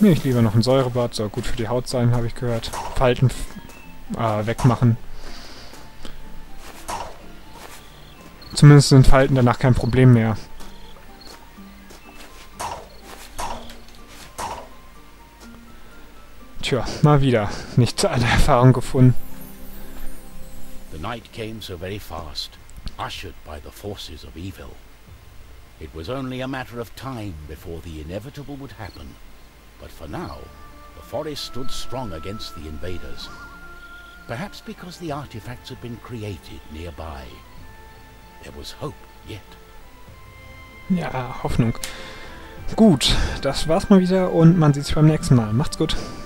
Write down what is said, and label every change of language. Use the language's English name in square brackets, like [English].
[German] Nehme ich lieber noch ein Säurebad, soll gut für die Haut sein, habe ich gehört. Falten wegmachen. Zumindest sind Falten danach kein Problem mehr. Tja, mal wieder. Nicht alle Erfahrungen gefunden. [English] The night came so very fast, ushered by the forces of evil. It was only a matter of time before the inevitable would happen. But for now, the forest stood strong against the invaders. Perhaps because the artifacts had been created nearby. There was hope yet. [German] Ja, Hoffnung. Gut, das war's mal wieder und man sieht sich beim nächsten Mal. Macht's gut.